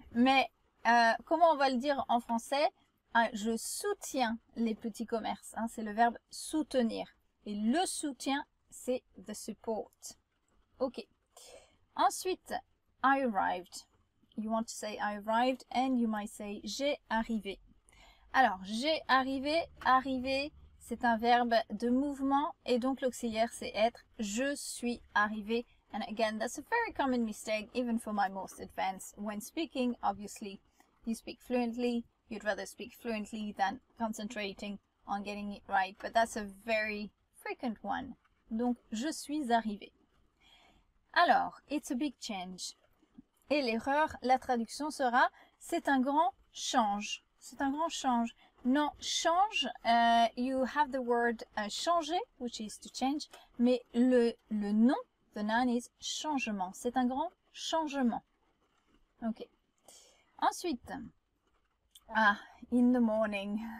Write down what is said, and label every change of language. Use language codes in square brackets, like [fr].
[fr] Mais comment on va le dire en français? Je soutiens les petits commerces. Hein? C'est le verbe soutenir. Et le soutien, c'est [en] the support. [fr] Ok. [en] Ensuite, I arrived. You want to say I arrived and you might say [fr] j'ai arrivé. Alors, j'ai arrivé, arriver, c'est un verbe de mouvement et donc l'auxiliaire c'est être. Je suis arrivé. [en] And again, that's a very common mistake even for my most advanced when speaking. Obviously, you speak fluently. You'd rather speak fluently than concentrating on getting it right. But that's a very frequent one. [fr] Donc, je suis arrivé. Alors, [en] it's a big change. [fr] Et l'erreur, la traduction sera, c'est un grand change. C'est un grand change. Non, change, you have the word changer, [en] which is to change, [fr] mais le nom, [en] the noun is [fr] changement. C'est un grand changement. Ok. Ensuite, [en] in the morning.